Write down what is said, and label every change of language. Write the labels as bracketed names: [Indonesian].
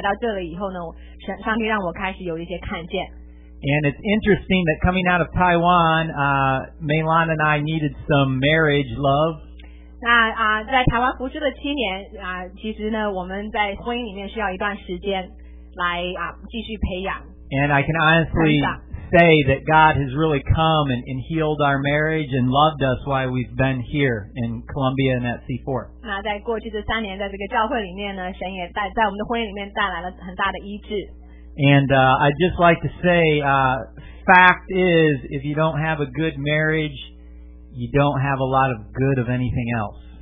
[Chinese] 那当初我不知道说为什么神把我们带到这里来，但是来到这里以后呢，上帝让我开始有一些看见。 [English] And it's interesting that coming out of Taiwan, Meilan and I needed some marriage love. [Chinese] 那在台湾服侍的七年，其实呢，我们在婚姻里面需要一段时间来继续培养。 [English] And I can honestly say that God has really come and healed our marriage and loved us while we've been here in Columbia and at C4. [Chinese] 那在过去这三年，在这个教会里面呢，神也在我们的婚姻里面带来了很大的医治。 [English] And I'd just like to say, fact is, if you don't have a good marriage, you don't have a lot of good of anything else.